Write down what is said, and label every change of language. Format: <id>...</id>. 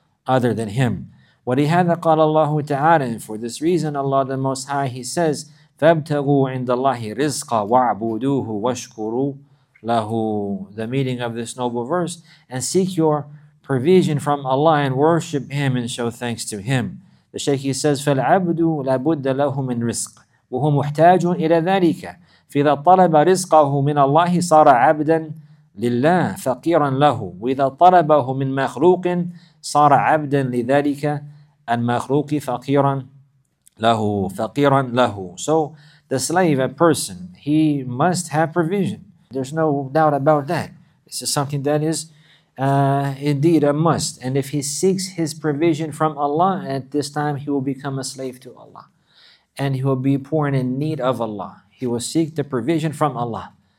<en>other than Him.</en> <ar>وَلِهَذَا قَالَ اللَّهُ تَعَالَى.</ar> <en>And for this reason, Allah the Most High, He says,</en> <ar>فَابْتَغُوا عِنْدَ اللَّهِ رِزْقًا وَعْبُدُوهُ وَشْكُرُوا لَهُ.</ar> <en>The meaning of this noble verse, and seek your provision from Allah and worship Him and show thanks to Him. The Shaykh, he says,</en> <ar>فَالْعَبْدُ لَابُدَّ لَهُ مِنْ رِزْقٍ وَهُ مُحْتَاجٌ إِلَى ذَلِكَ فَإِذَا طَلَبَ رِزْقَهُ مِنَ اللَّهِ صَارَ عَبْدًا لِلَّهِ فَقِيرًا لَهُ وَإِذَا طَلَبَهُ مِنْ مَخْلُوقٍ صَارَ عَبْدًا لِذَلِكَ الْمَخْلُوقِ فَقِيرًا لَهُ فَقِيرًا لَهُ.</ar> <en>So the slave, a person, he must have provision. There's no doubt about that. This is something that is indeed a must. And if he seeks his provision from Allah, at this time he will become a slave to Allah. And he will be poor and in need of Allah. He will seek the provision from Allah.</en>